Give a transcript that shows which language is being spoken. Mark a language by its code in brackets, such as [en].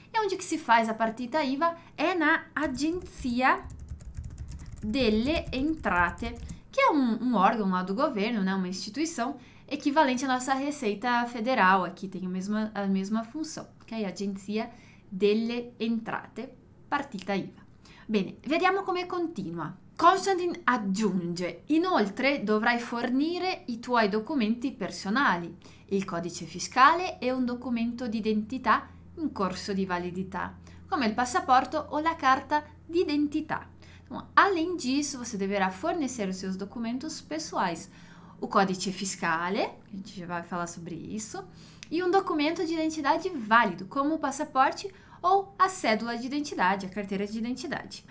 [pt] E onde que se faz a partita IVA? É na Agenzia delle Entrate, que é um órgão lá do governo, né? Uma instituição equivalente à nossa Receita Federal aqui, tem a mesma função, que é a Agenzia delle Entrate, partita IVA. [it] Bene, vediamo come continua. Constantin aggiunge, inoltre dovrai fornire i tuoi documenti personali, il codice fiscale e un documento d'identità in corso di validità, come il passaporto o la carta d'identità. [pt] Além disso, você deverá fornecere i seus documentos pessoais, o codice fiscale, a gente já vai falar sobre isso, e [it] un documento d'identità valido, come il passaporto [pt] ou a cédula de identidade, a carteira de identidade.